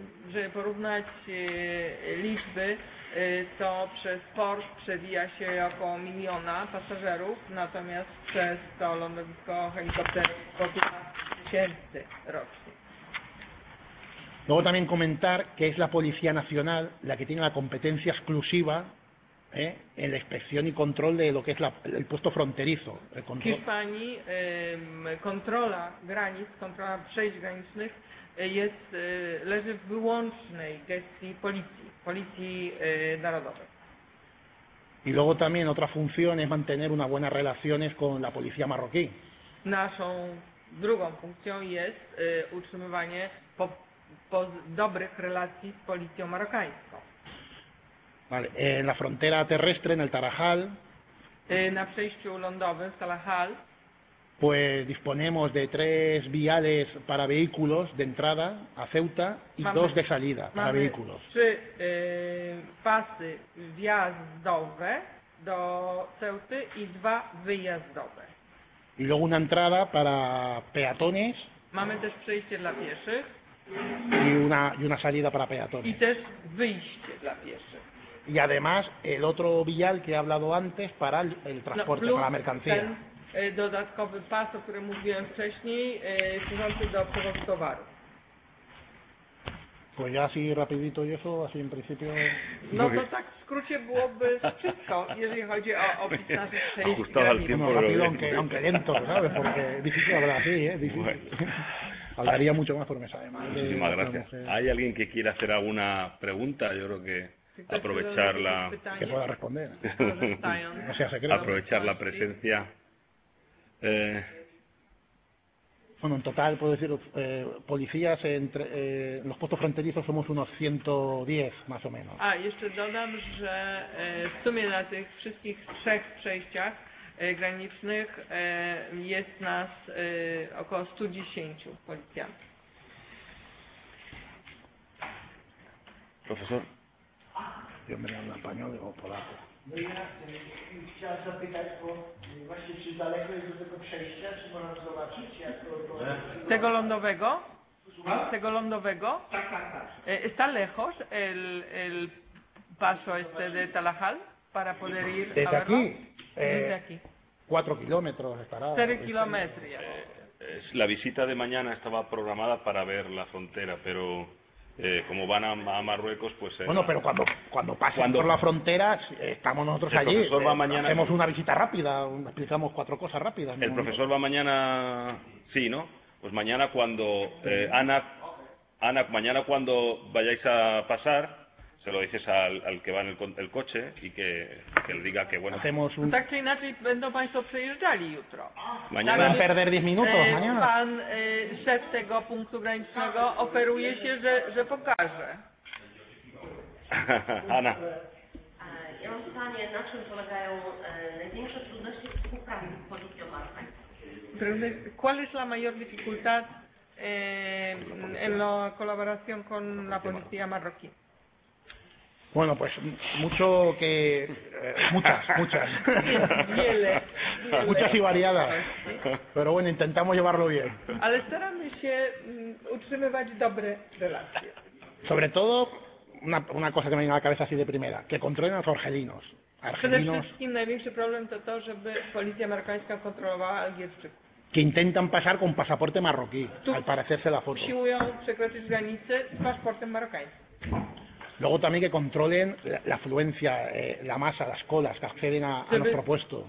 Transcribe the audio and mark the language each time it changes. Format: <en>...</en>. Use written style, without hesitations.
<pl>Żeby porównać liczby, to przez port przewija się około 1 miliona pasażerów, natomiast przez to lądowisko helikopterów to 15 000 rocznie.</pl> <es>Luego también comentar que es la Policía Nacional la que tiene la competencia exclusiva en la inspección y control de lo que es el puesto fronterizo.</es> <pl>W Hiszpanii kontrola granic, kontrola przejść granicznych leży w wyłącznej gestii policji narodowej.</pl> <es>Y luego también otra función es mantener unas buenas relaciones con la policía marroquí.</es> <pl>Naszą drugą funkcją jest utrzymywanie dobrych relacji z policją marokańską.</pl> <es>Vale, en la frontera terrestre, en el Tarajal.</es> <pl>Na przejściu lądowym w Tarajal.</pl> <es>Pues disponemos de 3 viales para vehículos de entrada a Ceuta y 2 de salida para vehículos.</es> <pl>Mamy 3 pasy wjazdowe do Ceuty y 2 wyjazdowe.</pl> <es>Y luego una entrada para peatones.</es> <pl>Mamy też przejście dla pieszych.</pl> <es>Y una salida para peatones.</es> <pl>Y też wyjście dla pieszych.</pl> <es>Y además el otro vial que he hablado antes para el transporte, para la mercancía.</es> <pl>Dodatkowy pas, o którym mówiłem wcześniej, służący do przewozu towarów.</pl> <es>Pues ya así rapidito y eso, así en principio.</es> <pl>No to tak w skrócie byłoby wszystko, jeżeli chodzi o opis naszych</pl> <es>przejść. Ajustado al tiempo, aunque lento, ¿sabes? Porque difícil hablar así, ¿eh? Difícil. Bueno. Hablaría mucho más por mesa, además. Muchísimas gracias. ¿Hay alguien que quiera hacer alguna pregunta? Yo creo que aprovechar la. Que pueda responder. No sea secreto. Aprovechar la presencia. Bueno, en total puedo decir policías entre los puestos fronterizos somos unos 110 más o menos.</es> <pl>A jeszcze dodam, że w sumie na tych wszystkich 3 przejściach granicznych jest nas około 110 policjantów.</pl> <es>Profesor. Yo me hablo español o polaco.</es> <pl>No ja chciałem zapytać, bo właśnie czy daleko jest do tego przejścia, czy można zobaczyć, jak to... Tego lądowego? Słucham? Tego lądowego? Tak.</pl> <es>Está lejos el paso este de Tarajal para poder ir a verlo? Desde aquí. Desde aquí. 4 kilómetros estará. 4 kilómetros. La visita de mañana estaba programada para ver la frontera, pero... como van a Marruecos, pues... Bueno, pero cuando pasen por la frontera, estamos nosotros el allí. El profesor va mañana... Hacemos una visita rápida, explicamos 4 cosas rápidas. El profesor va mañana... Sí, ¿no? Pues mañana cuando... Ana, mañana cuando vayáis a pasar, se lo dices al que va en el coche y que le diga que, bueno... Hacemos un...</es> <pl>Tak czy inaczej, będą państwo przejeżdżali jutro.</pl> <es>Mañana... Van a perder 10 minutos, mañana.</es> <pl>Pan szef tego punktu granicznego oferuje się, że pokaże.</pl> <es>Ana.</es> <pl>Ja mam pytanie, na czym polegają największe trudności w uprawie z policją marszańską?</pl> <es>¿Cuál es la mayor dificultad en la colaboración con la policía marroquí? Bueno, pues mucho que... Muchas. Wiele. Muchas y variadas. Pero bueno, intentamos llevarlo bien.</es> <pl>Ale staramy się utrzymywać dobre relacje.</pl> <es>Sobre todo, una cosa que me viene a la cabeza así de primera, que controlen a los argelinos.</es> <pl>Przede wszystkim największy problem to to, żeby policja marokańska kontrolowała Algierczyków.</pl> <es>Que intentan pasar con pasaporte marroquí, al parecerse la foto.</es> <pl>Siłują przekroczyć granicę z paszportem marokańskim.</pl> <es>Luego también que controlen la afluencia, la masa, las colas que acceden a nuestro puesto.</es>